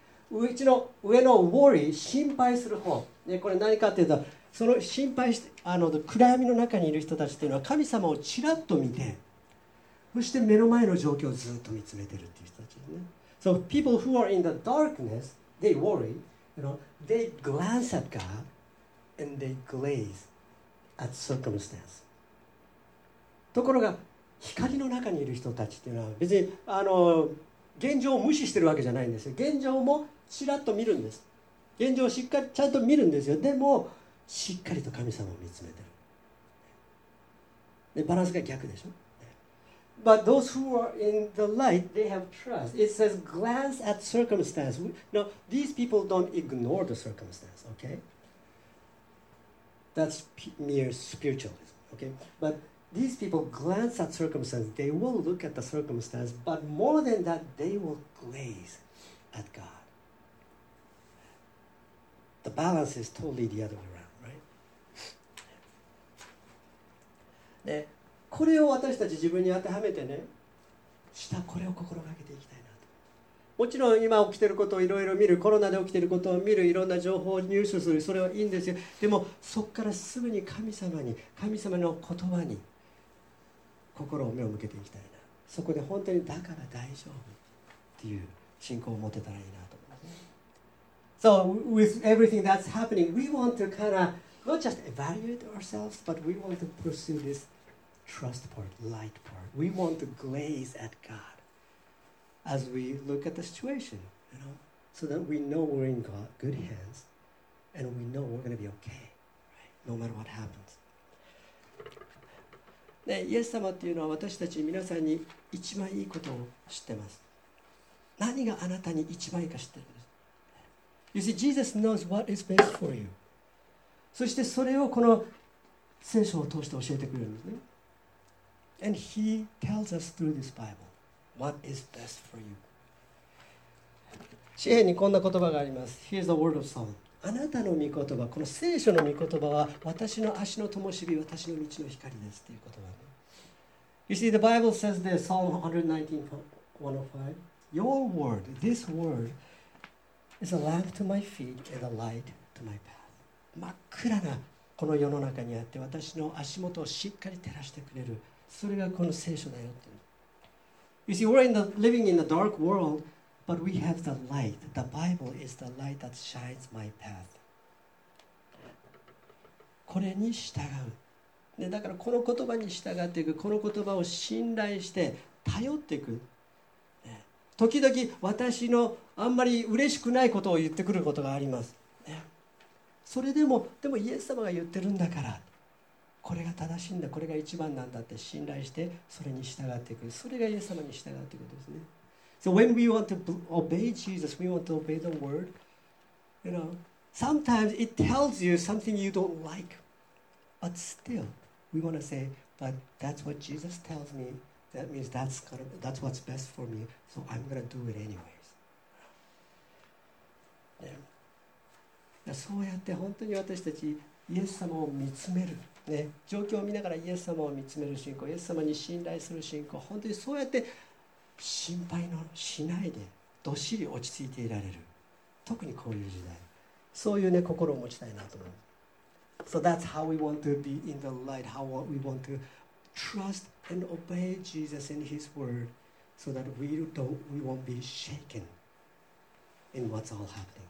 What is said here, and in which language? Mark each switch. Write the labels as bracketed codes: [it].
[ja] うちの上の worry 心配する方、ね、これ何かというとその心配して暗闇の中にいる人たちというのは神様をちらっと見てそして目の前の状況をずっと見つめてるっていう人たちですね。 [en] So people who are in the darkness they worry, you know, they glance at God and they glaze at circumstance. [ja] ところが光の中にいる人たちというのは別に現状を無視してるわけじゃないんですよ。現状もちらっと見るんです。現状をしっかりちゃんと見るんですよ。でもしっかりと神様を見つめてる。でバランスが逆でしょ。 [en] But those who are in the light, they have trust. It says glance at circumstance. Now, these people don't ignore the circumstance, okay? That's mere spiritualism, okay? ButThese people glance at circumstance. They will look at the circumstance, but more than that, they will glaze at God. The balance is totally the other way around, right? [ja] で、これを私たち自分に当てはめてね、下これを心がけていきたいなと。もちろん今起きていることをいろいろ見る、コロナで起きていることを見る、いろんな情報を入手する、それはいいんですよ。でもそこからすぐに神様に、神様の言葉に、心を目を向けていきたいな。そこで本当にだから大丈夫っていう信仰を持てたらいいなと思います。 [en] So with everything that's happening, we want to kind of not just evaluate ourselves, but we want to pursue this trust part, light part. We want to gaze at God as we look at the situation, you know, so that we know we're in God, good hands, and we know we're going to be okay, right? No matter what happens. [ja] ね、イエス様っていうのは私たち皆さんに一番いいことを知ってます。何があなたに一番いいか知ってるんです。 [en] You see, Jesus knows what is best for you. [ja] そしてそれをこの聖書を通して教えてくれるんですね。 [en] And he tells us through this Bible what is best for you. [ja] 詩編にこんな言葉があります。 [en] Here's the word of Psalm. [ja] あなたの御言葉、この聖書の御言葉は私の足の灯火、私の道の光ですっていう言葉。 [en] You see, the Bible says this, Psalm 119:105. Your word, this word, is a lamp to my feet and a light to my path. [ja] 真っ暗なこの世の中にあって私の足元をしっかり照らしてくれる。それがこの聖書だよって。 [en] You see, we're in the, living in a dark world, but we have the light. The Bible is the light that shines my path. [ja] これに従う。で、だからこの言葉に従っていく。この言葉を信頼して頼っていく。時々私のあんまり嬉しくないことを言ってくることがあります。それでも、でもイエス様が言ってるんだから、これが正しいんだ、これが一番なんだって信頼して、それに従っていく。それがイエス様に従っていくことですね。 [en] So when we want to obey Jesus, we want to obey the word, you know, sometimes it tells you something you don't like. But still, we want to say, but that's what Jesus tells me. That means that's what's best for me, so I'm gonna do it anyways. Yeah. [ja] そうやって本当に私たちイエス様を見つめる、ね、状況を見ながらイエス様を見つめる信仰、イエス様に信頼する信仰、本当にそうやって心配のしないでどっしり落ち着いていられる、特にこういう時代、そういう、ね、心を持ちたいなと思う。 [en] So that's how we want to be in the light, how we want toTrust and obey Jesus in His word so that we won't be shaken in what's all happening.